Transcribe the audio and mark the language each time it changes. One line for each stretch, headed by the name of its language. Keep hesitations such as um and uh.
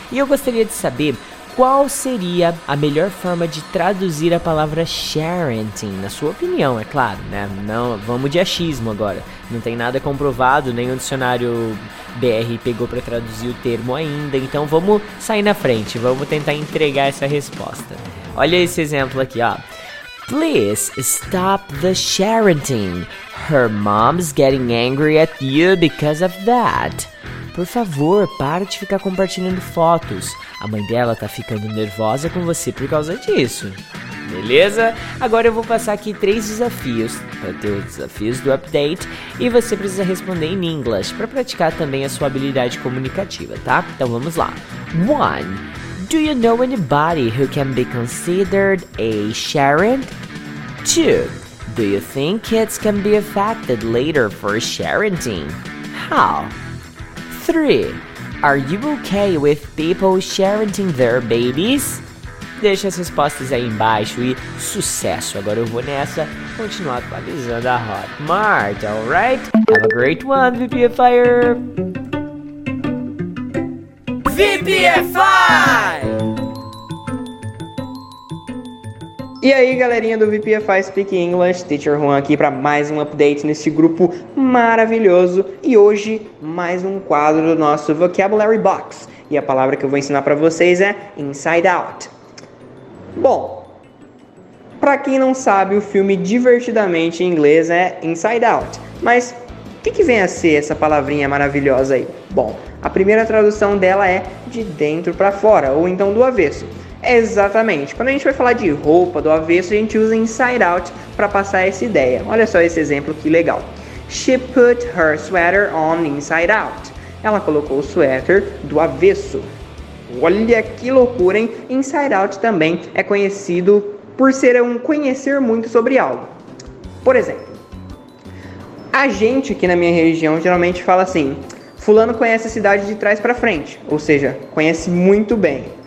Portuguese: E eu gostaria de saber qual seria a melhor forma de traduzir a palavra sharenting, na sua opinião, é claro, né? Não, vamos de achismo agora. Não tem nada comprovado, nem o dicionário BR pegou pra traduzir o termo ainda, então vamos sair na frente, vamos tentar entregar essa resposta. Olha esse exemplo aqui, ó.
English: Please stop the sharenting. Her mom's getting angry at you because of that.
Portuguese: Por favor, para de ficar compartilhando fotos. A mãe dela tá ficando nervosa com você por causa disso. Beleza? Agora eu vou passar aqui três desafios para ter os desafios do update e você precisa responder em inglês para praticar também a sua habilidade comunicativa, tá? Então vamos lá. 1.
English: Do you know anybody who can be considered a Sharon? 2. Do you think kids can be affected later for sharenting? How? 3. Are you okay with people sharenting their babies?
Portuguese: Deixa as respostas aí embaixo e sucesso! Agora eu vou nessa continuar atualizando a Hotmart, alright?
English: Have a great one, VPFire! VPFI!
Portuguese: E aí, galerinha do VPFI Speak English, Teacher Juan aqui para mais um update nesse grupo maravilhoso. E hoje, mais um quadro do nosso Vocabulary Box. E a palavra que eu vou ensinar para vocês é Inside Out. Bom, para quem não sabe, o filme divertidamente em inglês é Inside Out. Mas o que, que vem a ser essa palavrinha maravilhosa aí? Bom, a primeira tradução dela é de dentro para fora, ou então do avesso. Exatamente. Quando a gente vai falar de roupa do avesso, a gente usa inside out para passar essa ideia. Olha só esse exemplo que legal.
English: She put her sweater on inside out.
Portuguese: Ela colocou o suéter do avesso. Olha que loucura, hein? Inside out também é conhecido por ser um conhecer muito sobre algo. Por exemplo, a gente aqui na minha região geralmente fala assim: Fulano conhece a cidade de trás para frente, ou seja, conhece muito bem.